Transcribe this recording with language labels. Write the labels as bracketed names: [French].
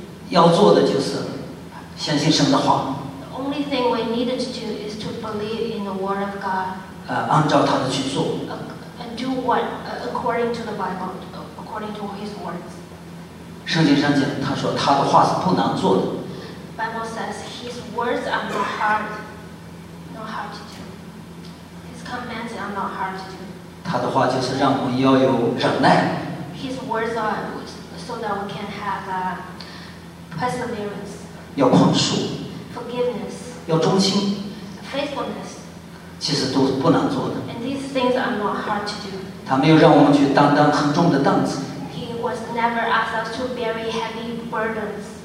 [Chinese] 要做的就是相信神的话。 [English] The only thing we needed to do is to believe in the word of God. [Chinese] 按照他的去做。 [English] And do what according to the Bible, according to His words. [Chinese] 圣经上讲，他说他的话是不难做的。 [English] Bible says His words are not hard to do. His commands are not hard to do. [Chinese] 他的话就是让我们要有忍耐。 [English] His words are so that we can have perseverance. [Chinese] 要宽恕。 [English] Forgiveness. [Chinese] 要忠心。 [English] Faithfulness. [Chinese] 其实都不难做的。 [English] And these things are not hard to do. [Chinese] 他没有让我们去担当很重的担子。 [English] He was never asked us to bear heavy burdens.